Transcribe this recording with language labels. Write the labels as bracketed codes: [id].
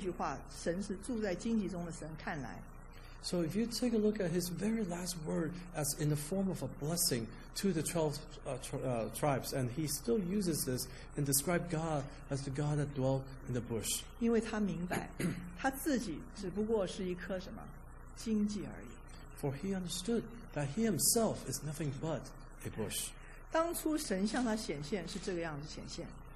[zh] 所以你从他最后临死前对人的祝福，用这句话，神是住在荆棘中的神，看来。 [en] So if you take a look at his very last word as in the form of a blessing to the 12 tribes, and he still uses this and describes God as the God that dwelt in the bush. [zh] 因为他明白他自己只不过是一颗什么荆棘而已。 [en] For he understood that he himself is nothing but a bush. [zh] 当初神向他显现是这个样子显现。